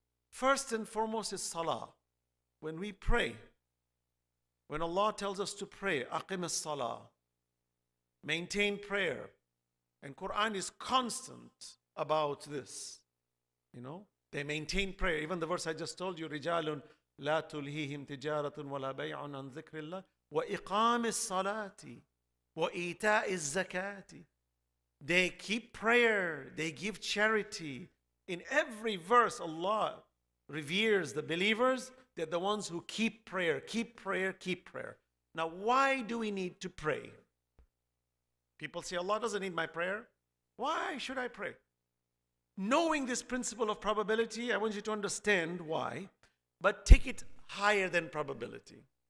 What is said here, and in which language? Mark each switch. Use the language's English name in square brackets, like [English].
[English] First and foremost is salah. When we pray, when Allah tells us to pray, aqim as-salah, maintain prayer. And Quran is constant about this. You know, they maintain prayer. Even the verse I just told you, [Arabic] رِجَالٌ لَا تُلْهِهِمْ تِجَارَةٌ وَلَا بَيْعٌ عَنْ ذِكْرِ اللَّهِ وَإِقَامِ الصَّلَاةِ وَإِيْتَاءِ الزَّكَاةِ. [English] They keep prayer. They give charity. In every verse, Allah reveres the believers. They're the ones who keep prayer, keep prayer, keep prayer. Now, why do we need to pray? People say, Allah doesn't need my prayer. Why should I pray? Knowing this principle of probability, I want you to understand why, but take it higher than probability.